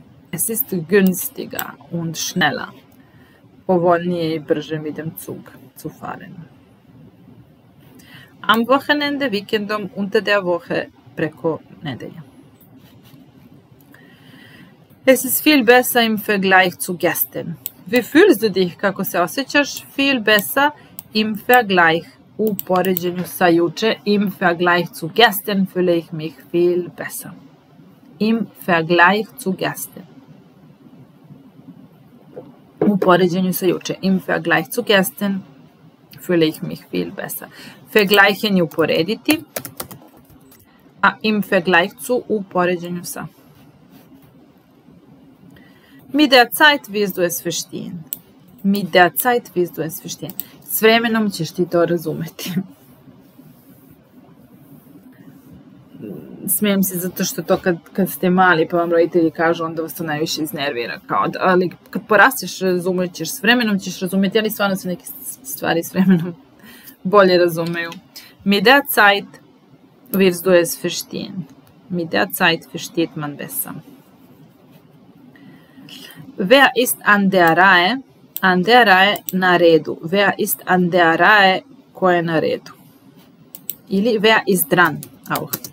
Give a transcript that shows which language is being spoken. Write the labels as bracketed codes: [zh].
[de] Es ist günstiger und schneller, [sr] povoljnije i brže [de] mit dem Zug zu fahren. Am Wochenende, weekendom, unter der Woche, [sr] preko nedelja. [de] Es ist viel besser im Vergleich zu gestern. Wie fühlst du dich, [sr] kako se osjećaš? [de] Viel besser im Vergleich, [sr] u poređenju sa juče, [de] im Vergleich zu gestern fühle ich mich viel besser. Im Vergleich zu gestern. [sr] U poređenju sa juče. [de] Im Vergleich zu gestern fühle ich mich viel besser. [sr] Vergleichen je uporediti. A [de] im Vergleich zu [sr] u poređenju sa. Mit der Zeit wirst du es verstehen. Mit der Zeit wirst du es verstehen. S vremenom ćeš ti to razumeti. Smijem se zato što to kad ste mali pa vam roditelji kažu, onda vas to najviše iznervira. Ali kad porasteš, razumet ćeš, s vremenom ćeš razumjeti, ali stvarno se neke stvari s vremenom bolje razumeju. [de] Mit der Zeit wirst du es verstehen. Mit der Zeit versteht man besser. Wer ist an der Reihe? An der Reihe [sr] na redu. [de] Wer ist an der Reihe? [sr] Ko je na redu? Ili [de] wer ist dran? Auch.